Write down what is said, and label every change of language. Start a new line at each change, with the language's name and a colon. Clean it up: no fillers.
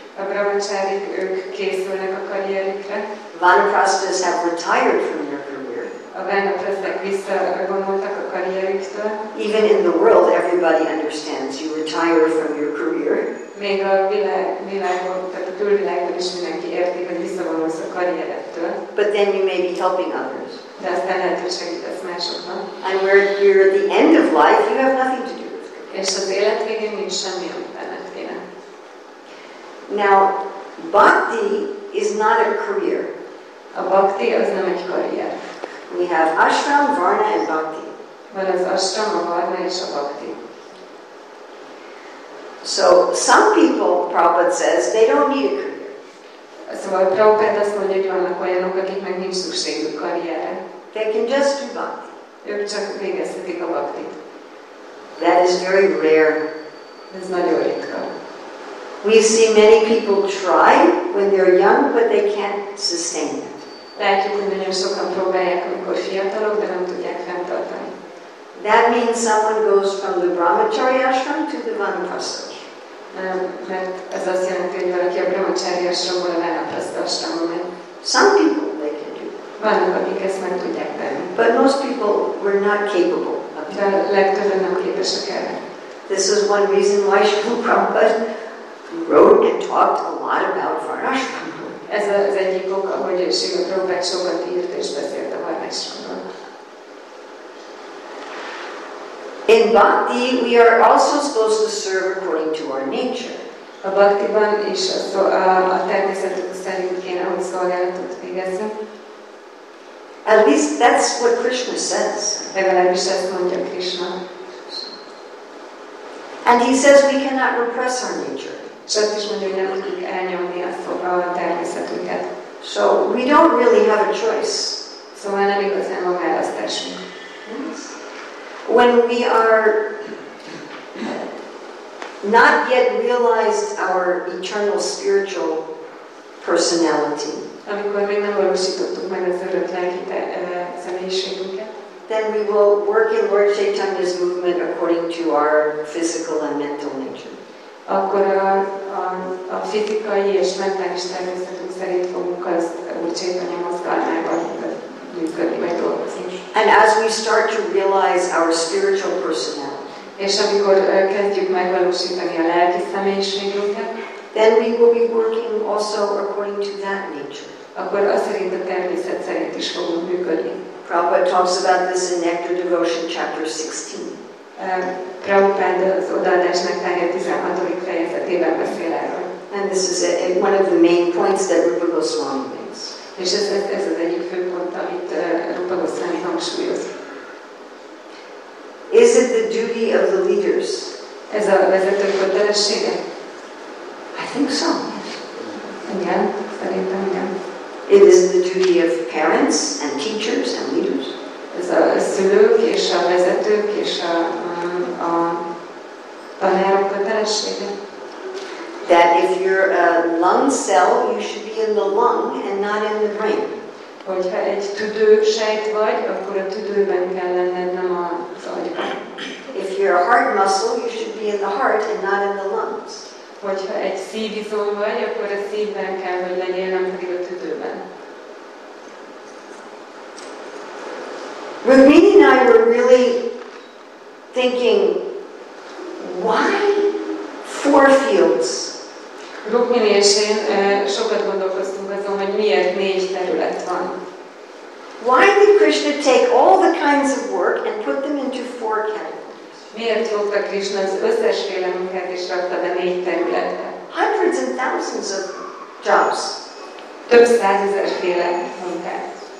Hungarian: A brahmacharik, ők készülnek a karrierikre.
English: Vanaprasthas have retired from their career.
Hungarian: A vanaprasthák visszavonultak a karrieriktől.
English: Even in the world, everybody understands you retire from your career.
Hungarian: Még a világon, tehát a külvilágban is mindenki értik, hogy visszavonulsz a karrierettől.
English: But then you may be helping others.
Hungarian: De aztán lehet, hogy segítesz másoknak.
English: And where you're at the end of life, you have nothing to do.
Hungarian: És az élet végén nincs semmi, amit benned kéne.
English: Now, bhakti is not a career.
Hungarian: A bhakti az nem egy karrier.
English: We have ashram, varna and bhakti.
Hungarian: Van az ashram, a varna és a bhakti.
English: So some people, Prabhupada says, they don't need a career.
Hungarian: Szóval Prabhupada azt mondja, hogy vannak olyanok, akik meg nincs szükségük karrierre.
English: They can just do bhakti.
Hungarian: Ők csak végezhetik a bhaktit.
English: That is very rare.
Hungarian: Ez nagyon ritka.
English: We see many people try when they're young, but they can't sustain it.
Hungarian: Látjuk, hogy nagyon sokan próbálják, amikor fiatalok, de nem tudják fenntartani.
English: That means someone goes from the Brahmachari ashram to the Vanaprastha ashram.
Hungarian: Mert ez azt jelenti, hogy valaki a Brahmachari ashramból a Vanaprastha ashramba megy.
English: Some people they can do.
Hungarian: Vannak, akik ezt meg tudják tenni.
English: But most people were not capable of
Hungarian: it. De legtöbben nem képesek erre.
English: This is one reason why Srila Prabhupada wrote and talked a lot about Varna ashram.
Hungarian: Ez az egyik oka, hogy Srila Prabhupada sokat írt és beszélt a Varna ashramról.
English: In bhakti, we are also supposed to serve according to our nature.
Hungarian: a baktiban is a természetük szerint kéne, hogy szolgálatot végezzünk.
English: At least that's what Krishna says.
Hungarian: Legalábbis ezt mondja Krishna.
English: And he says we cannot repress our nature.
Hungarian: Azt is mondja, hogy nem tudjuk elnyomni a természetünket.
English: So we don't really have a choice.
Hungarian: Szóval nem igazán van választásunk.
English: When we are not yet realized our eternal spiritual personality,
Hungarian: amikor még nem valósítottuk meg az örök lelki személyiségünket,
English: then we will work in Lord Chaitanya's movement according to our physical and mental nature.
Hungarian: Akkor a fizikai és mentális természetünk szerint fogunk az Úr Chaitanya mozgalmában működni, vagy dolgozni.
English: And as we start to realize our spiritual personality,
Hungarian: és amikor kezdjük megvalósítani a lelki személyiségünket,
English: then we will be working also according to that nature.
Hungarian: Akkor az szerint a természet szerint is fogunk működni.
English: Prabhupada talks about this in Nectar Devotion, chapter 16.
Hungarian: Prabhupada az odaadás nektárja 16. fejezetében beszél erről.
English: And this is one of the main points that Rupa Goswami makes.
Hungarian: És ez az egyik fő pont, amit Rupa Goswami hangsúlyoz.
English: Is it the duty of the leaders?
Hungarian: Ez a vezető kötelessége?
English: I think so.
Hungarian: Igen, szerintem igen.
English: It is the duty of parents and teachers and leaders.
Hungarian: Ez a szülők és a vezetők és a tanárok kötelessége.
English: That if you're a lung cell, you should be in the lung and not in the brain.
Hungarian: Hogyha egy tüdő sejt vagy, akkor a tüdőben kell lenned, nem az agyban.
English: If you're a heart muscle, you should be in the heart and not in the lungs.
Hungarian: Hogyha egy szívizom vagy, akkor a szívben kell, hogy legyél, nem pedig a tüdőben.
English: Rukmini and I were really thinking, why four fields?
Hungarian: Rukmini és én sokat gondolkoztunk azon, hogy miért négy terület van.
English: Why did Krishna take all the kinds of work and put them into four categories?
Hungarian: Miért fogta Krishna az összes féle munkát és rakta be négy területre?
English: Hundreds and thousands of jobs.
Hungarian: Több százezer féle munkát.